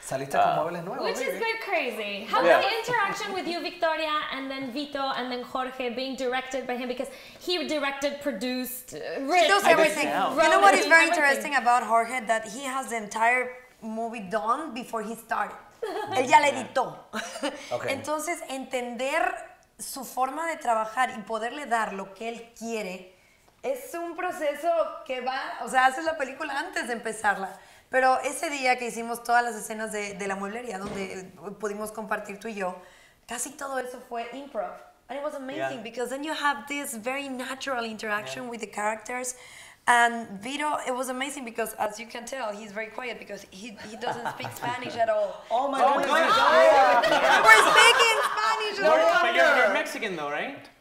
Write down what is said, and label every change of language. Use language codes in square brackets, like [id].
[en] Which is good, crazy. How was the interaction with you, Victoria, and then Vito, and then Jorge, being directed by him? Because he directed, produced, written. He does everything. You know what is very interesting about Jorge? That he has the entire movie done before he started. [es] Él ya le editó. Okay. Entonces, entender su forma de trabajar y poderle dar lo que él quiere es un proceso que va, o sea, haces la película antes de empezarla. Pero ese día que hicimos todas las escenas de la mueblería, donde pudimos compartir tú y yo, casi todo eso fue improv. [en] And it was amazing because then you have this very natural interaction with the characters. And Vito, it was amazing because, as you can tell, he's very quiet because he doesn't speak Spanish at all. Oh my God! Oh, we're speaking Spanish. You're Mexican though, right?